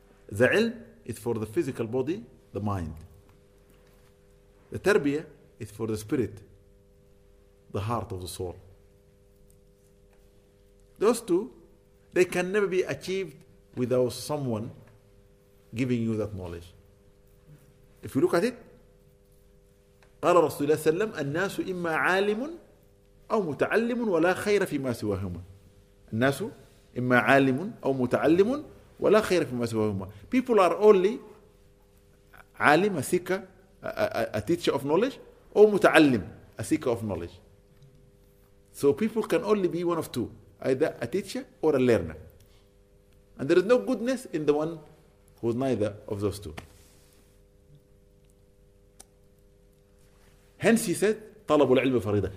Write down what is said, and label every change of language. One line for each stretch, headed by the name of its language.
English: The ilm is for the physical body, the mind. The tarbiyah is for the spirit, the heart of the soul. Those two, they can never be achieved without someone giving you that knowledge. If you look at it,
Arabic: قال رسول الله صلى الله عليه وسلم الناس إما عالم أو متعلم ولا خير فيما سواهما. الناس إما عالم أو متعلم ولا خير فيما سواهما.
English: People are only عالم, a seeker, a teacher of knowledge, or متعلم, a seeker of knowledge. So people can only be one of two, either a teacher or a learner. And there is no goodness in the one who is neither of those two. Hence he said,
Arabic: طلب العلم فريضة.